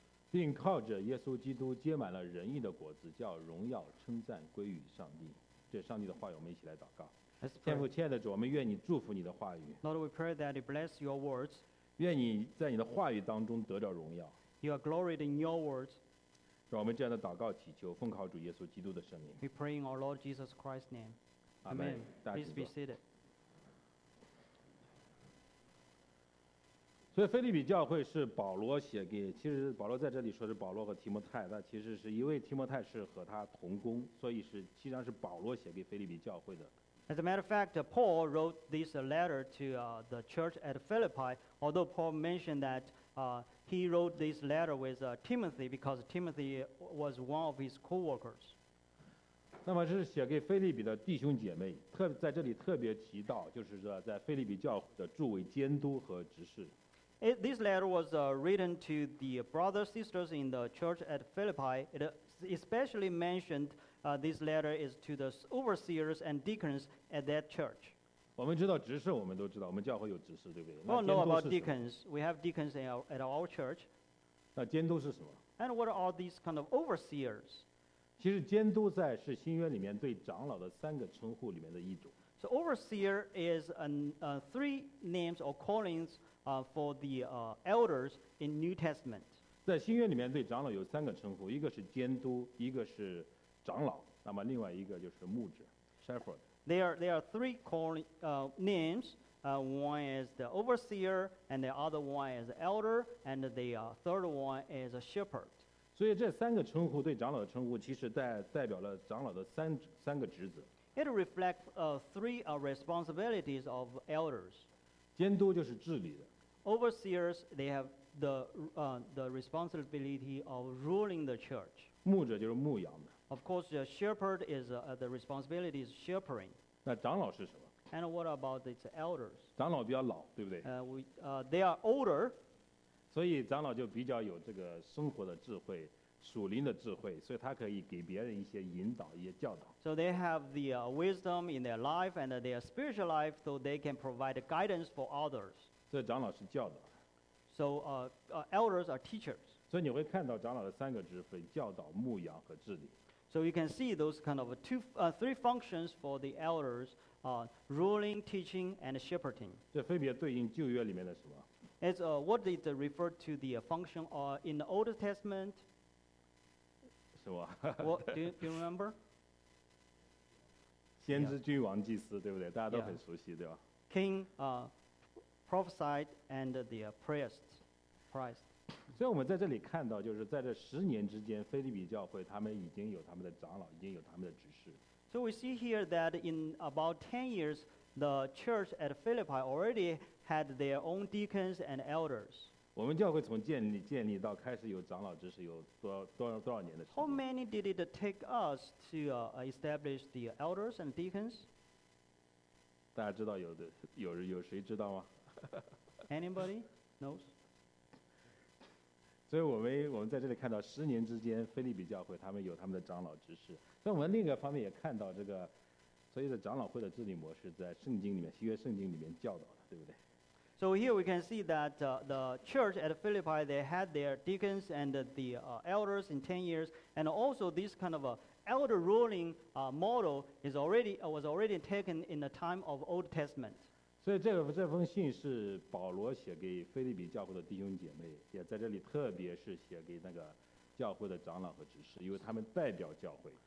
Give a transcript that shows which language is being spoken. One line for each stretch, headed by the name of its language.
Chinese: 并靠着耶稣基督结满了仁义的果子，叫荣耀称赞归于上帝。这上帝的话语，我们一起来祷告。天父，亲爱的主，我们愿你祝福你的话语。
English: Lord, we pray that you bless your words.
Chinese: 愿你在你的话语当中得着荣耀。
English: You are gloried in your words.
Chinese: 让我们这样的祷告祈求，奉靠主耶稣基督的圣名。
English: We pray in our Lord Jesus Christ's name. Amen. Please be seated.
Chinese: 所以腓立比教会是保罗写给，其实保罗在这里说是保罗和提摩太，但其实是因为提摩太是和他同工，所以是实际上是保罗写给腓立比教会的
English: As a matter of fact, Paul wrote this letter to the church at Philippi, although Paul mentioned that he wrote this letter with Timothy because Timothy was one of his co-workers.
Chinese: 那么这是写给腓立比的弟兄姐妹，特在这里特别提到，就是说在腓立比教会的诸位监督和执事。
English: This letter was written to the brothers and sisters in the church at Philippi. It especially mentioned this letter is to the overseers and deacons at that church.
Chinese: 我们知道执事，我们都知道，我们教会有执事，对不对？
English: We all know about deacons. We have deacons at our church.
Chinese: 那监督是什么？
English: And what are these kind of overseers?
Chinese: 其实监督在是新约里面对长老的三个称呼里面的一种。
English: So overseer is three names or callings for the elders in New Testament.
Chinese: 在新约里面对长老有三个称呼，一个是监督，一个是长老，那么另外一个就是牧者 ，shepherd.
English: There are three calling names. One is the overseer, and the other one is the elder, and the third one is a shepherd.
Chinese: 所以这三个称呼对长老的称呼其实代表了长老的三个职责。
English: It reflects three responsibilities of elders.
Chinese: 监督就是治理的。
English: Overseers, they have the responsibility of ruling the church.
Chinese: 牧者就是牧羊的。
English: Of course, the shepherd is the responsibility is shepherding.
Chinese: 那长老是什么？
English: And what about its elders?
Chinese: 长老比较老，对不对？
English: They are older.
Chinese: 所以长老就比较有这个生活的智慧，属灵的智慧，所以他可以给别人一些引导，一些教导。
English: So they have the wisdom in their life and their spiritual life, so they can provide guidance for others.
Chinese: 所以长老是教导。
English: So elders are teachers.
Chinese: 所以你会看到长老的三个职分：教导、牧养和治理。
English: So you can see those kind of three functions for the elders: ruling, teaching, and shepherding.
Chinese: 这分别对应旧约里面的什么？
English: It's what did it refer to the function in the Old Testament?
Chinese: 是吧？
English: do you remember?
Chinese: 先知、君王、祭司，对不对？大家都很熟悉，对吧
English: ？King, prophesied, and the priest.
Chinese: 所以我们在这里看到，就是在这十年之间，腓立比教会他们已经有他们的长老，已经有他们的执事。
English: So we see here that in about 10 years, the church at Philippi already. Had their own deacons and elders.
Chinese: 我们教会从建立到开始有长老执事有多少年的时间
English: ？How many did it take us to establish the elders and deacons?
Chinese: 大家知道有的有谁知道吗
English: ？Anybody knows?
Chinese: 所以我们在这里看到十年之间，腓立比教会他们有他们的长老执事。在我们另一个方面也看到这个，所以的长老会的治理模式在圣经里面，新约圣经里面教导的，对不对？
English: So here we can see that the church at Philippi, they had their deacons and the elders in 10 years. And also this kind of elder ruling model was already taken in the time of Old Testament.
Chinese: 所以这封信是保罗写给腓立比教会的弟兄姐妹，也在这里特别是写给那个教会的长老和执事，因为他们代表教会。